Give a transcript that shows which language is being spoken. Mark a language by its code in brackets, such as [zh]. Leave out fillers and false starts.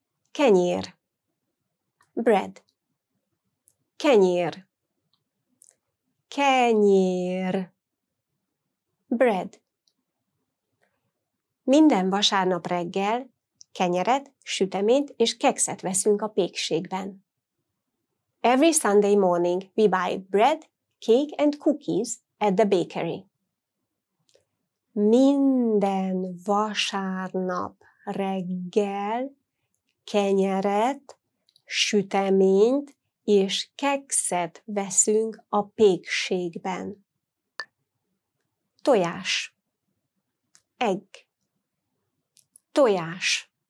[hu] Kenyér. Bread. Kenyér. Kenyér. Bread. Minden vasárnap reggel kenyeret, süteményt és kekszet veszünk a pékségben. [en] Every Sunday morning we buy bread, cake and cookies at the bakery. [hu] Minden vasárnap reggel kenyeret, süteményt és kekszet veszünk a pékségben. Tojás. Egg. Tojás.